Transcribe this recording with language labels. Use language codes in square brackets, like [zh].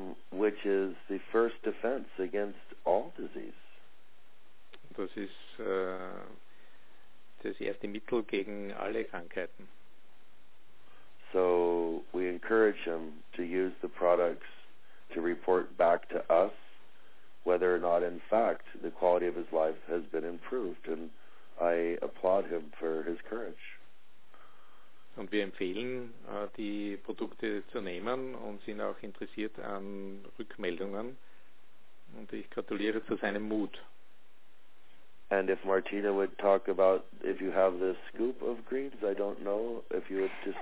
[en] Which is the first defense against all disease. [de] Das ist das erste Mittel gegen alle Krankheiten. [en] So we encourage him to use the products to report back to us whether or not in fact the quality of his life has been improved, and I applaud him for his courage. [de] Und wir empfehlen, die Produkte zu nehmen, und sind auch interessiert an Rückmeldungen. Und ich gratuliere zu seinem Mut. [en] And if Martina would talk about if you have the scoop of greens, I don't know if you would just.